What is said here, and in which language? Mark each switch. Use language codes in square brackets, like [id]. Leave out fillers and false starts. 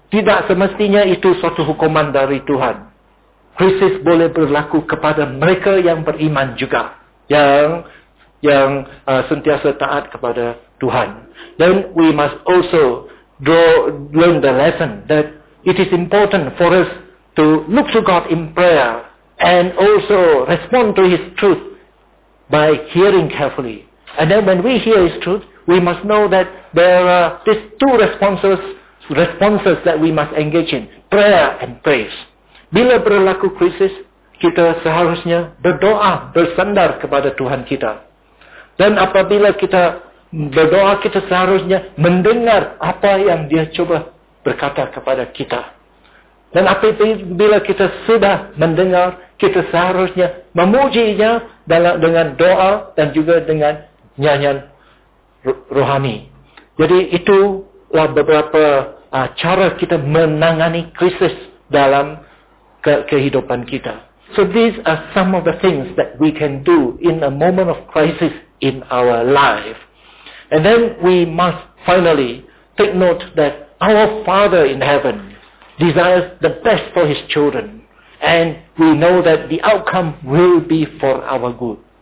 [ms] Tidak semestinya itu suatu hukuman dari Tuhan. Krisis boleh berlaku kepada mereka yang beriman juga, yang sentiasa taat kepada Tuhan. [en] Then we must also learn the lesson that it is important for us to look to God in prayer and also respond to His truth by hearing carefully. And then when we hear His truth, we must know that there are these two responses that we must engage in, prayer and praise. [ms] Bila berlaku krisis, kita seharusnya berdoa, bersandar kepada Tuhan kita. Dan apabila kita berdoa, kita seharusnya mendengar apa yang Dia cuba berkata kepada kita. Dan apabila kita sudah mendengar, kita seharusnya memujinya dengan doa dan juga dengan nyanyian rohani. Jadi itulah beberapa cara kita menangani krisis dalam kehidupan kita. [en] So these are some of the things that we can do in a moment of crisis in our life. And then we must finally take note that our Father in heaven desires the best for His children. And we know that the outcome will be for our good.